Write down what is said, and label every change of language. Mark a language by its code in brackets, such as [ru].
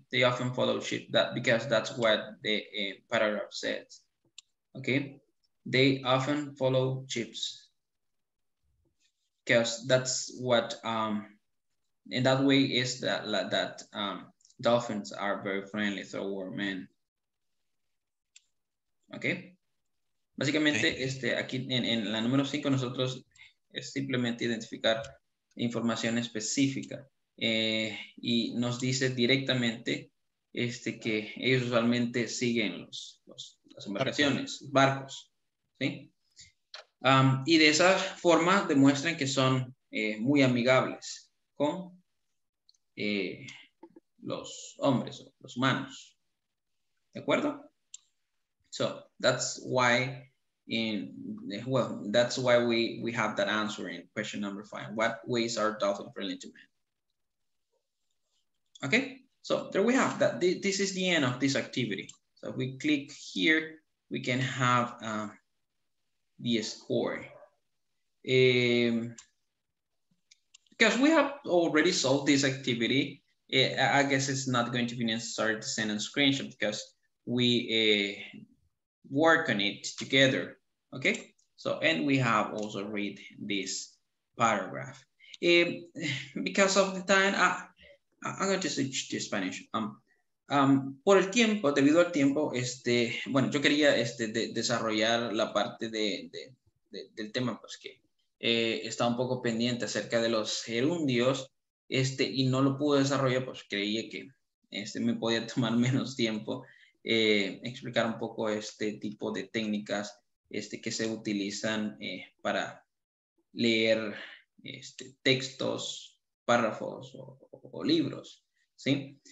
[en] They often follow ships, that because that's what the paragraph says. Okay, they often follow ships because that's what in that way is that dolphins are very friendly toward men. [es] Okay, básicamente okay. Aquí en la número 5 nosotros es simplemente identificar información específica. Y nos dice directamente este, que ellos usualmente siguen las embarcaciones, barcos, ¿sí? Y de esa forma demuestran que son muy amigables con los hombres, los humanos. ¿De acuerdo? [en] So, that's why we have that answer in question number 5. What ways are dolphins friendly to men? Okay, so there we have that. This is the end of this activity. So if we click here, we can have the score. Because we have already solved this activity, I guess it's not going to be necessary to send a screenshot because we work on it together. Okay, so, and we have also read this paragraph. Because of the time, I'm going to switch to Spanish. [es] Por el tiempo, debido al tiempo, este, bueno, yo quería este, desarrollar la parte del tema, pues que está un poco pendiente acerca de los gerundios, este, y no lo pude desarrollar, pues creía que este, me podía tomar menos tiempo explicar un poco este tipo de técnicas este, que se utilizan para leer este, textos, párrafos o libros, ¿sí?